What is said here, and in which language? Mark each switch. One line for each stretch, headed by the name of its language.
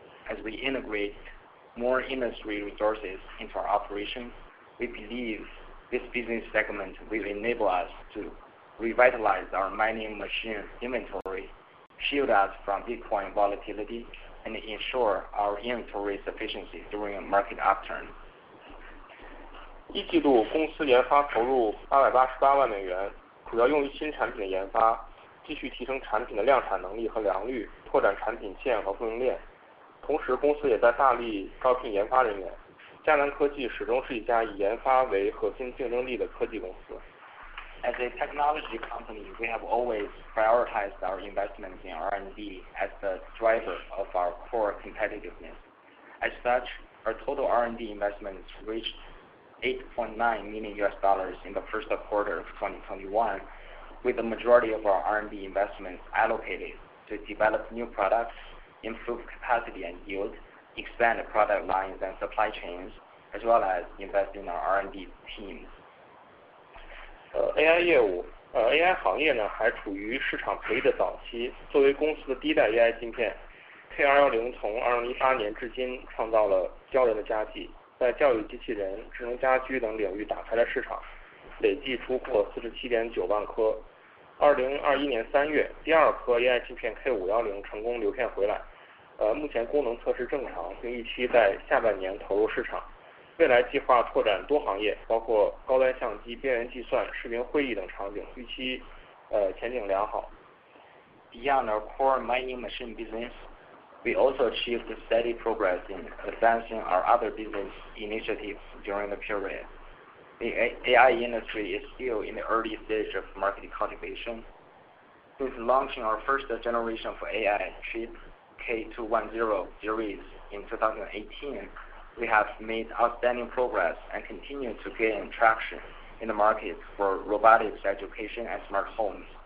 English: As we integrate more industry resources into our operations, we believe this business segment will enable us to revitalize our mining machine inventory. Shield us from Bitcoin volatility and ensure our inventory sufficiency during a market upturn.
Chinese: 一季度公司研发投入888万美元，主要用于新产品的研发，继续提升产品的量产能力和良率，拓展产品线和供应链。同时，公司也在大力招聘研发人员。迦南科技始终是一家以研发为核心竞争力的科技公司。
English: As a technology company, we have always prioritized our investments in R&D as the driver of our core competitiveness. As such, our total R&D investments reached $8.9 million in the first quarter of 2021, with the majority of our R&D investments allocated to develop new products, improve capacity and yield, expand product lines and supply chains, as well as invest in our R&D teams.
Chinese: AI 业务AI 行业呢还处于市场培育的早期，作为公司的第一代 AI 芯片 K210 从2018年至今创造了骄人的佳绩，在教育机器人、智能家居等领域打开了市场，累计出货47.9万颗。 2021年3月，第二颗 AI 芯片 K510 成功流片回来，目前功能测试正常，并预期在下半年投入市场，未来计划拓展多行业，包括高端相机、边缘计算、视频会议等场景，预期前景良好。
English: Beyond our core mining machine business, we also achieved steady progress in advancing our other business initiatives during the period. The AI industry is still in the early stage of market cultivation. Since launching our first generation of AI chip K210 series in 2018,We have made outstanding progress and continue to gain traction in the market for robotics education and smart homes.